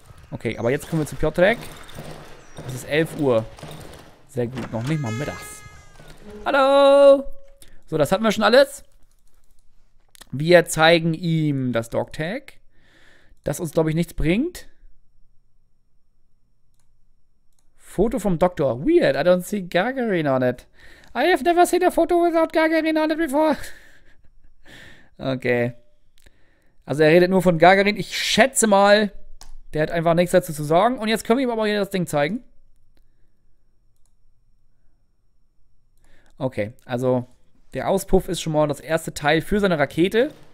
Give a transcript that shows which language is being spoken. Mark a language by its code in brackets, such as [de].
[de] Okay, aber jetzt kommen wir zu Piotrek. Es ist 11 Uhr. Sehr gut, noch nicht mal mittags. Hallo! So, das hatten wir schon alles. Wir zeigen ihm das Dogtag. Das uns, glaube ich, nichts bringt. Foto vom Doktor. [en] Weird, I don't see Gagarin on it. I have never seen a photo without Gagarin on it before. [de] Okay. Also er redet nur von Gagarin. Ich schätze mal, der hat einfach nichts dazu zu sagen. Und jetzt können wir ihm aber hier das Ding zeigen. Okay, also der Auspuff ist schon mal das erste Teil für seine Rakete.